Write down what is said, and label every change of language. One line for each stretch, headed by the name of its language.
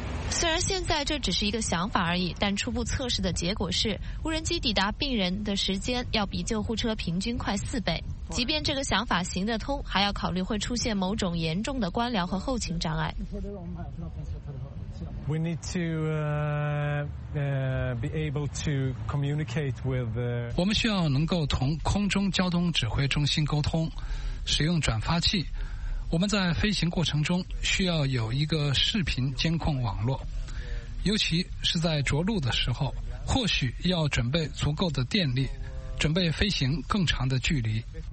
Chinese: 虽然现在这只是一个想法而已，但初步测试的结果是，无人机抵达病人的时间要比救护车平均快4倍。即便这个想法行得通，还要考虑会出现某种严重的官僚和后勤障碍。
English: We need to be able to communicate with.
Chinese: 我们需要能够同空中交通指挥中心沟通，使用转发器。我们在飞行过程中需要有一个视频监控网络，尤其是在着陆的时候，或许要准备足够的电力，准备飞行更长的距离。